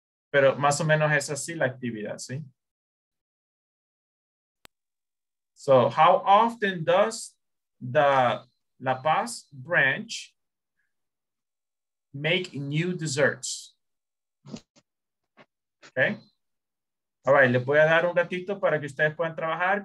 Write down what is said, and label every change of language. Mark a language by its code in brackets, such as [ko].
[es] Pero más o menos es así la actividad, ¿sí? [en] So, how often does the La Paz branch make new desserts? Okay? All right, [es] les voy a dar un ratito para que ustedes puedan trabajar.